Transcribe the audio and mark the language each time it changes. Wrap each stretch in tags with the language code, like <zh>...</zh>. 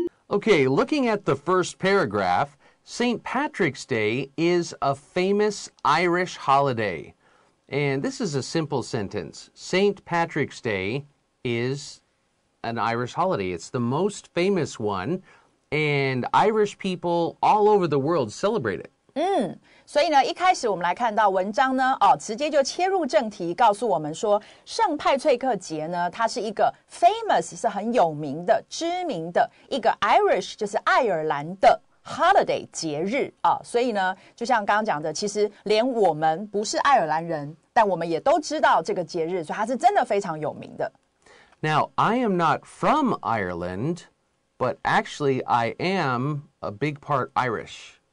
<en>Okay, looking at the first paragraph, St. Patrick's Day is a famous Irish holiday. And this is a simple sentence. St. Patrick's Day is... an Irish holiday. It's the most famous one, and Irish people all over the world celebrate it.</en> <zh>所以呢，一开始我们来看到文章呢，哦，直接就切入正题，告诉我们说，圣派翠克节呢，它是一个 famous 是很有名的、知名的一个 Irish 就是爱尔兰的。 Holiday 节日啊，所以呢，就像刚刚讲的，其实连我们不是爱尔兰人，但我们也都知道这个节日，所以它是真的非常有名的。</zh> <en>Now, I am not from Ireland, but actually I am a big part Irish.</en>